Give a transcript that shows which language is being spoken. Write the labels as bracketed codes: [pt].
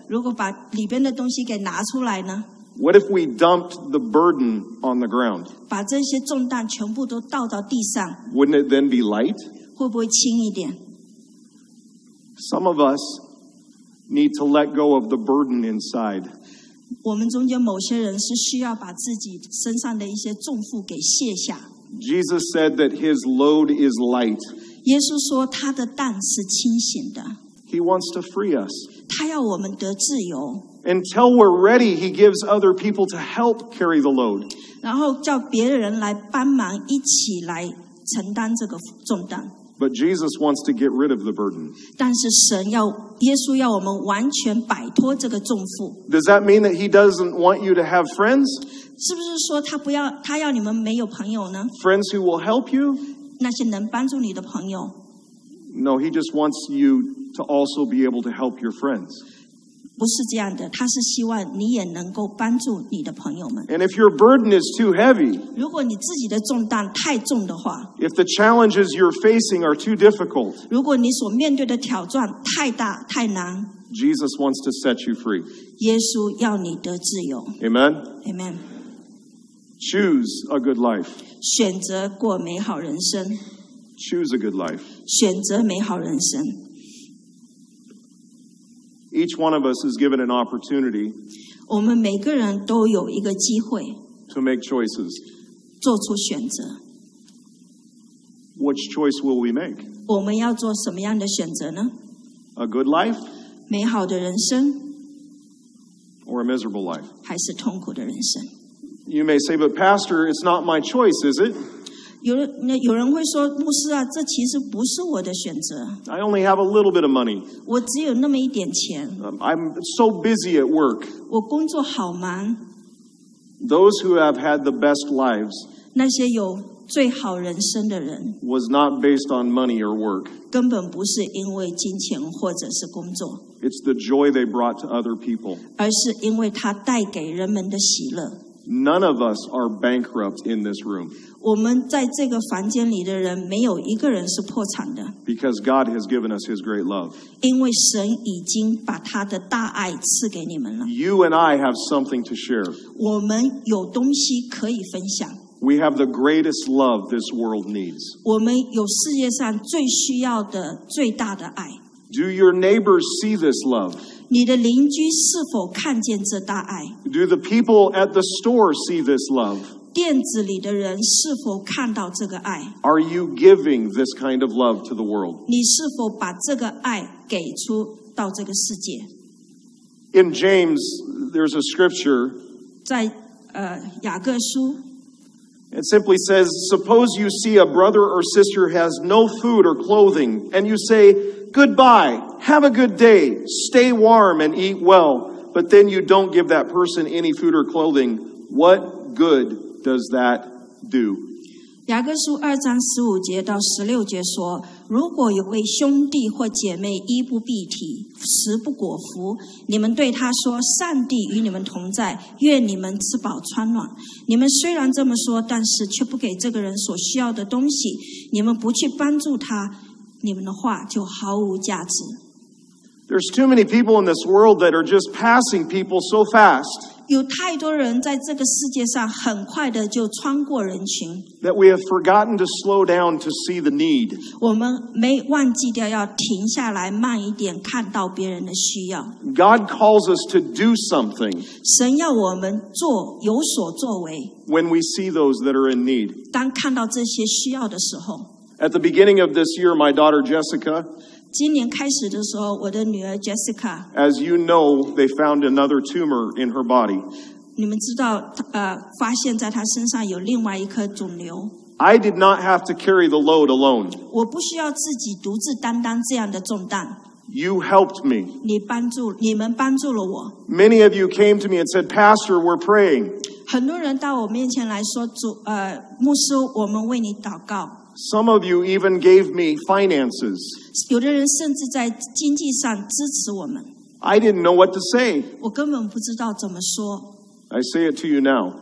[zh] 如果把里边的东西给拿出来呢？ [en] What if we dumped the burden on the ground? [zh] 把这些重担全部都倒到地上。 [en] Wouldn't it then be light? [zh] 会不会轻一点？ [en] Some of us need to let go of the burden inside. [zh] 我们中间某些人是需要把自己身上的一些重负给卸下。 [en] Jesus said that his load is light. [zh] 耶稣说他的担是轻省的。 [en] He wants to free us. [zh] 他要我们得自由。 [en] Until we're ready, he gives other people to help carry the load. [zh] 然后叫别人来帮忙，一起来承担这个重担。 [en] But Jesus wants to get rid of the burden. [zh] 但是神要耶稣要我们完全摆脱这个重负。 [en] Does that mean that he doesn't want you to have friends? [zh] 是不是说他不要他要你们没有朋友呢？ [en] Friends who will help you? [zh] 那些能帮助你的朋友。 [en] No, he just wants you to also be able to help your friends. [zh] 不是这样的，他是希望你也能够帮助你的朋友们。 [en] And if your burden is too heavy, [zh] 如果你自己的重担太重的话， [en] if the challenges you're facing are too difficult, [zh] 如果你所面对的挑战太大太难， [en] Jesus wants to set you free. [zh] 耶稣要你得自由。 [en] Amen. Amen. Choose a good life. [zh] 选择过美好人生。 [en] Choose a good life. [zh] 选择美好人生。 [en] Each one of us is given an opportunity. [zh] 我们每个人都有一个机会。 [en] To make choices. [zh] 做出选择。 [en] Which choice will we make? [zh] 我们要做什么样的选择呢？ [en] A good life. [zh] 美好的人生。 [en] Or a miserable life. [zh] 还是痛苦的人生。 [en] You may say, but Pastor, it's not my choice, is it? [zh] 有人会说牧师啊，这其实不是我的选择。 [en] I only have a little bit of money. [zh] 我只有那么一点钱。 [en] I'm so busy at work. [zh] 我工作好忙。 [en] Those who have had the best lives. [zh] 那些有最好人生的人。 [en] Was not based on money or work. [zh] 根本不是因为金钱或者是工作。 [en] It's the joy they brought to other people. [zh] 而是因为他带给人们的喜乐。 [en] None of us are bankrupt in this room. [zh] 我们在这个房间里的人没有一个人是破产的。 [en] Because God has given us His great love. [zh] 因为神已经把他的大爱赐给你们了。 [en] You and I have something to share. [zh] 我们有东西可以分享。 [en] We have the greatest love this world needs. [zh] 我们有世界上最需要的最大的爱。 [en] Do your neighbors see this love? [zh] 你的邻居是否看见这大爱? [en] Do the people at the store see this love? [zh] 店子里的人是否看到这个爱? [en] Are you giving this kind of love to the world? [zh] 你是否把这个爱给出到这个世界? [en] In James, there's a scripture. [zh] 在雅各书 [en] It simply says, suppose you see a brother or sister has no food or clothing, and you say, goodbye, have a good day, stay warm and eat well, but then you don't give that person any food or clothing. What good does that do? [zh] 雅各书二章十五节到十六节说，如果有位兄弟或姐妹衣不蔽体，食不果腹，你们对他说：“上帝与你们同在，愿你们吃饱穿暖。” 你们虽然这么说，但是却不给这个人所需要的东西，你们不去帮助他，你们的话就毫无价值。 [en] There's too many people in this world that are just passing people so fast. [zh] 有太多人在这个世界上很快的就穿过人群。 [en] That we have forgotten to slow down to see the need. [zh] 我们没忘记掉要停下来慢一点看到别人的需要。 [en] God calls us to do something. [zh] 神要我们做有所作为。 [en] When we see those that are in need. [zh] 当看到这些需要的时候。 [en] At the beginning of this year, my daughter Jessica [zh] 今年开始的时候，我的女儿 Jessica， [en] As you know, they found another tumor in her body. [zh] 你们知道，发现在她身上有另外一颗肿瘤。 [en] I did not have to carry the load alone. [zh] 我不需要自己独自担当这样的重担。 [en] You helped me. [zh] 你们帮助了我。 [en] Many of you came to me and said, Pastor, we're praying. [zh] 很多人到我面前来说，牧师，我们为你祷告。 [en] Some of you even gave me finances. [zh] 有的人甚至在经济上支持我们。 [en] I didn't know what to say. [zh] 我根本不知道怎么说。 [en] I say it to you now.